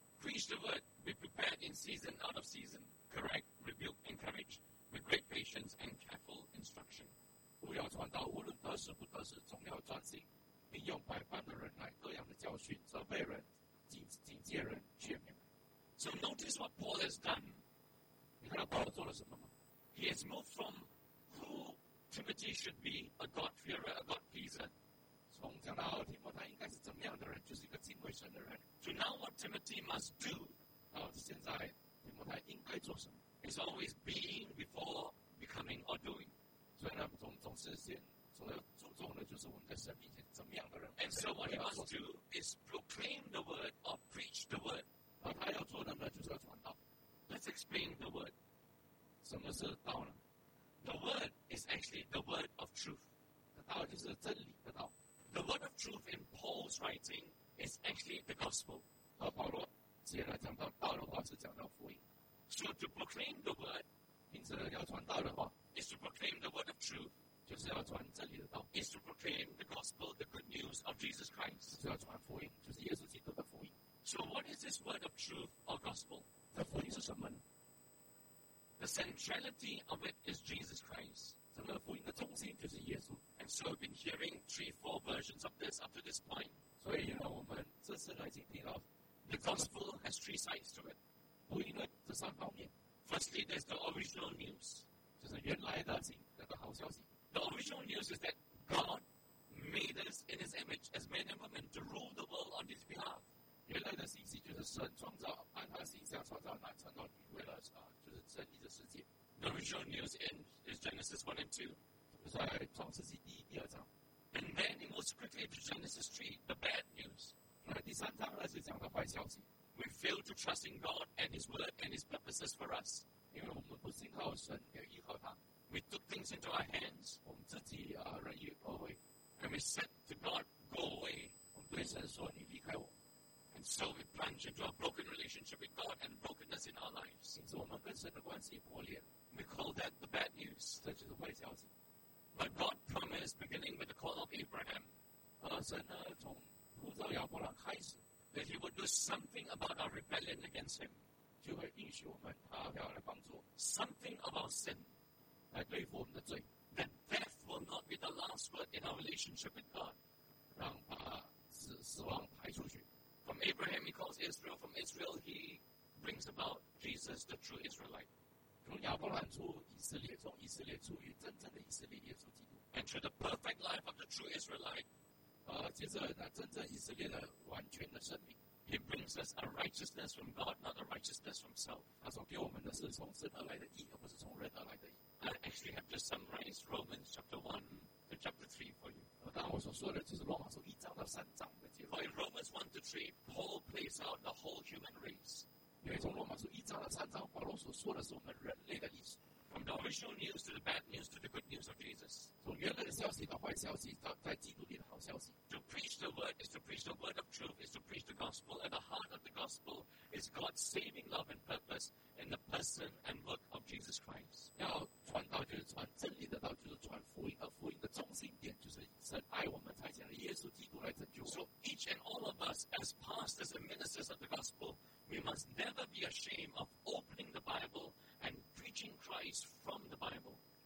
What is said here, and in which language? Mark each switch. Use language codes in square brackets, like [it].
[en] Preach the word, be prepared in season, out of season. Correct, rebuke, encourage, with great patience and careful instruction. [zh] 不要传道，无论得时不得时，总要专心，并用百般的忍耐，各样的教训，责备人，警戒人，劝勉。 [en] So notice what Paul has done. [zh] 你看到保罗做了什么吗？ [en] He has moved from who Timothy should be, a God-fearer, a God-pleaser. [zh] 从讲到提摩太应该是怎么样的人，就是一个敬畏神的人。 [en] To know what Timothy must do, [zh] 到现在提摩太应该做什么 [en] ？It's always being before becoming or doing. [zh] 所以呢，总是先，所以注重的就是我们在神面前怎么样的人。 [en] And so what he must do is proclaim the word or preach the word. [zh] 那他要做的呢，就是要传道。 [en] Let's explain the word. [zh] 什么是道呢 [en] ？The word is actually the word of truth. [zh] 道就是真理的道。 [en] The word of truth in Paul's writing is actually the gospel. [zh] 保罗写了讲到道的话是讲到福音。 [en] So to proclaim the word, [zh] 因此要传道的话 [en] is to proclaim the word of truth, [zh] 就是要传真理的道 [en] is to proclaim the gospel, the good news of Jesus Christ, [zh] 就是要传福音，就是耶稣基督的福音。 [en] So what is this word of truth or gospel? [zh] 这福音是什么呢？ [en] The centrality of it is Jesus Christ. [zh] 整个福音的中心就是耶稣。 [en] And so we've been hearing 3-4 versions of this up to this point. [zh] 所以呢，我们这次来听到 [en] The gospel has 3 sides to it. [zh] 福音呢，这三方面。 [en] Firstly, there's the original news. [zh] 就是原来的好消息. [en] The original news is that God made us in His image as men and women to rule the world on His behalf. [zh] 原来的信息就是神创造按他形象创造男成女为了就是治理这世界. [en] The original news is Genesis 1 and 2. [zh] 在创世纪第一、第二章. [en] And then it moves quickly to Genesis 3, the bad news. [zh] 第三章二十讲的坏消息. [en] We fail to trust in God and His word and His purposes for us. [zh] 因为我们不信靠神，也依靠他. [en] We took things into our hands. [zh] 我们自己任意而为. [en] And we said to God, go away. [zh] 我们对神说，你离开我. [en] And so we plunge into a broken relationship with God and brokenness in our lives. [zh] 因此我们跟神的关系破裂. [en] We call that the bad news. [zh] 这就是坏消息. [en] But God promised, beginning with the call of Abraham, [zh] 神从呼召亚伯拉开始, [en] that He would do something about our rebellion against Him. [zh] 就会允许我们祂要来帮助, [en] something about sin. [zh] 来对付我们的罪. [en] That death will not be the last word in our relationship with God. [zh] 让把死亡排出去. [en] From Abraham, He calls Israel. From Israel, He brings about Jesus, the true Israelite. And to the perfect life of the true Israelite, [zh] 接着那真正以色列的完全的生命, [en] He brings us a righteousness from God, not a righteousness from self. [zh] 他所给我们的是从神而来的义, 而不是从人而来的义. [en] I actually have just summarized Romans chapter 1 to chapter 3 for you. [zh] 当然我所说的就是罗马书一章到三章的结论. [en] For in Romans 1 to 3, Paul plays out the whole human race. [zh] 因为从罗马书一章到三章, 保罗所说的是我们人类的历史. [en] From the official news to the bad news to the good news of Jesus. [zh] 从原来的消息到坏消息, 到在基督里的好消息. [en] To preach the word is to preach the word of truth, is to preach the gospel. At the heart of the gospel is God's saving love and purpose in the person and work of Jesus Christ. [zh] 要传道就是传真理的道就是传福音，而福音的中心点就是神爱我们，差遣了耶稣基督来拯救我们. [en] So each and all of us as pastors and ministers of the gospel, we must never be ashamed of opening the Bible and preaching Christ from the Bible.